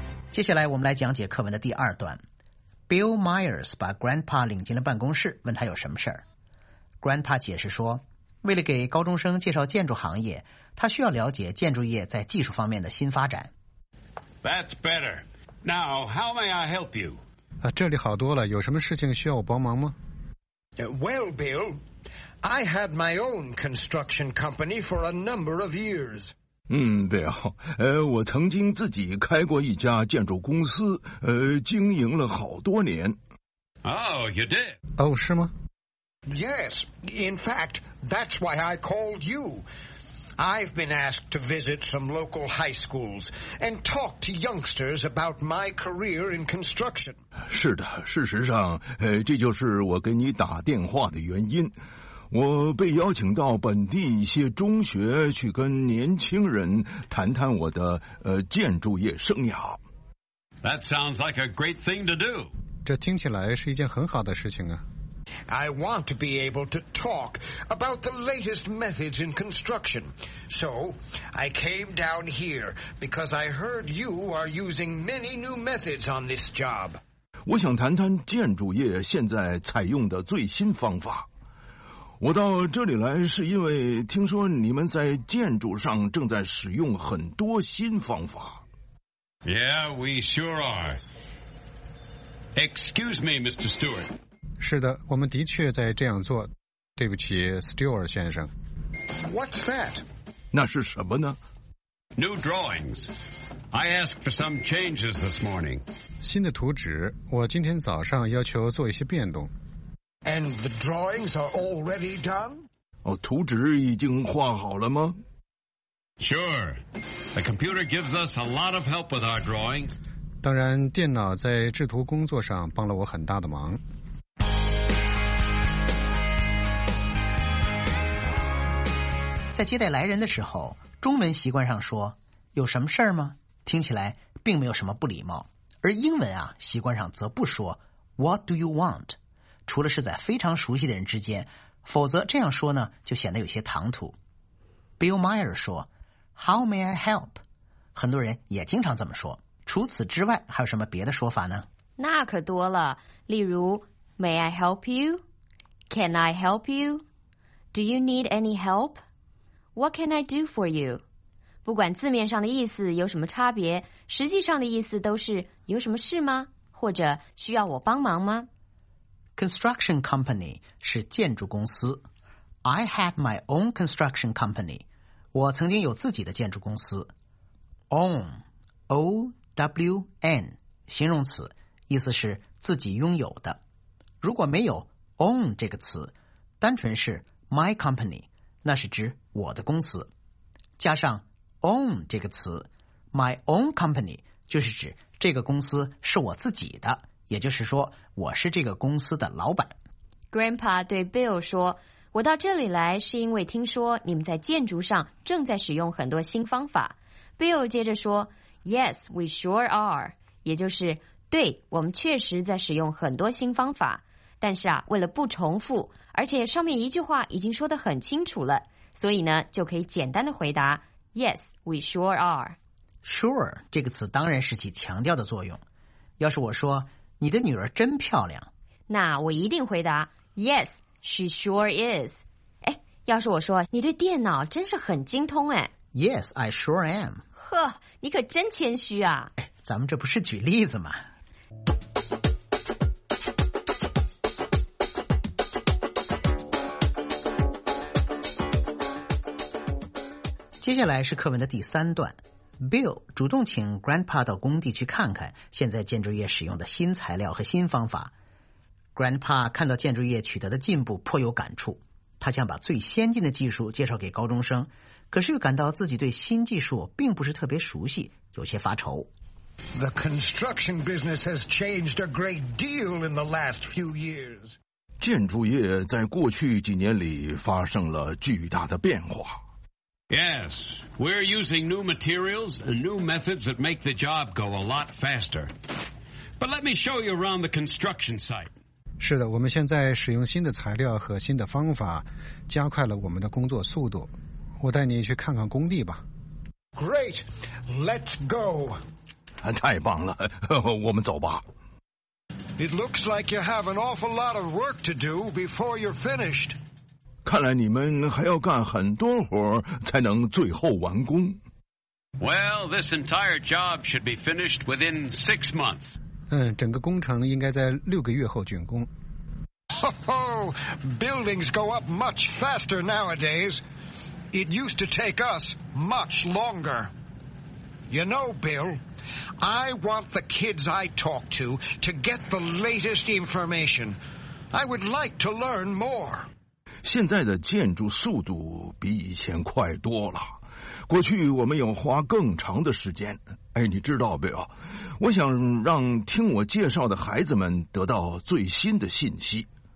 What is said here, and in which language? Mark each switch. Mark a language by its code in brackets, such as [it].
[zh] 接下来我们来讲解课文的第二段。Bill Myers 把 Grandpa 领进了办公室，问他有什么事儿。 Grandpa 解释说，为了给高中生介绍建筑行业，他需要了解建筑业在技术方面的新发展。 [en] That's better. Now, how may I help you? [zh] 这里好多了，有什么事情需要我帮忙吗？ [en] Well, Bill, I had my own construction company for a number of years. [zh] Bill, 我曾经自己开过一家建筑公司，经营了好多年。 [en] Oh, you did? [zh] 哦，是吗？ [en] Yes, in fact, that's why I called you. I've been asked to visit some local high schools and talk to youngsters about my career in construction. [zh] 是的，事实上，这就是我给你打电话的原因。我被邀请到本地一些中学去跟年轻人谈谈我的建筑业生涯。 [en] That sounds like a great thing to do. [zh] 这听起来是一件很好的事情啊。 [en] I want to be able to talk about the latest methods in construction. So, I came down here because I heard you are using many new methods on this job. [zh] 我想谈谈建筑业现在采用的最新方法。我到这里来是因为听说你们在建筑上正在使用很多新方法。 [en] Yeah, we sure are. Excuse me, Mr. Stewart. [zh] 是的，我们的确在这样做。对不起 ，Stewart 先生。 [en] What's that? [zh] 那是什么呢 [en] ？New drawings. I asked for some changes this morning. [zh] 新的图纸，我今天早上要求做一些变动。 [en] And the drawings are already done? [zh] 哦，图纸已经画好了吗 [en] ？Sure. The computer gives us a lot of help with our drawings. [zh] 当然，电脑在制图工作上帮了我很大的忙。在接待来人的时候，中文习惯上说有什么事儿吗，听起来并没有什么不礼貌，而英文啊，习惯上则不说 [en] What do you want? [zh] 除了是在非常熟悉的人之间，否则这样说呢就显得有些唐突。 [en] Bill Meyer [zh] 说 [en] How may I help? [zh] 很多人也经常这么说，除此之外还有什么别的说法呢？那可多了，例如 [en] May I help you? Can I help you? Do you need any help? What can I do for you? [zh] 不管字面上的意思有什么差别，实际上的意思都是有什么事吗？或者需要我帮忙吗？ [en] Construction company [zh] 是建筑公司。 [en] I had my own construction company. [zh] 我曾经有自己的建筑公司。Own, O-W-N, 形容词，意思是自己拥有的。如果没有 own 这个词，单纯是 my company,那是指我的公司，加上 own 这个词， [en] my own company [zh] 就是指这个公司是我自己的，也就是说我是这个公司的老板。 Grandpa 对 Bill 说，我到这里来是因为听说你们在建筑上正在使用很多新方法。 Bill 接着说 [en] Yes, we sure are, [zh] 也就是对，我们确实在使用很多新方法，但是啊，为了不重复，而且上面一句话已经说得很清楚了，所以呢，就可以简单的回答 [en] Yes, we sure are. [zh] Sure, 这个词当然是起强调的作用。要是我说，你的女儿真漂亮，那我一定回答 [en] Yes, she sure is. [zh] 哎，要是我说，你对电脑真是很精通哎。 [en] Yes, I sure am. [zh] 呵，你可真谦虚啊。哎，咱们这不是举例子吗？接下来是课文的第三段， Bill 主动请 Grandpa 到工地去看看现在建筑业使用的新材料和新方法。 Grandpa 看到建筑业取得的进步颇有感触，他想把最先进的技术介绍给高中生，可是又感到自己对新技术并不是特别熟悉，有些发愁。 [en] The construction business has changed a great deal in the last few years. [zh] 建筑业在过去几年里发生了巨大的变化。 [en] Yes, we're using new materials and new methods that make the job go a lot faster. But let me show you around the construction site. [zh] 是的，我们现在使用新的材料和新的方法，加快了我们的工作速度。我带你去看看工地吧。 [en] Great, let's go. [zh] 太棒了，我们走吧。 [en] It looks like you have an awful lot of work to do before you're finished. [zh] 看来你们还要干很多活才能最后完工。 [en] Well, this entire job should be finished within 6 months. [zh] 整个工程应该在6个月后竣工。 Ho ho! [en] Buildings go up much faster nowadays. It used to take us much longer. You know, Bill, I want the kids I talk to get the latest information. I would like to learn more. [zh] 现在的建筑速度比以前快多了。过去我们要花更长的时间。哎，你知道没有？我想让听我介绍的孩子们得到最新的信息。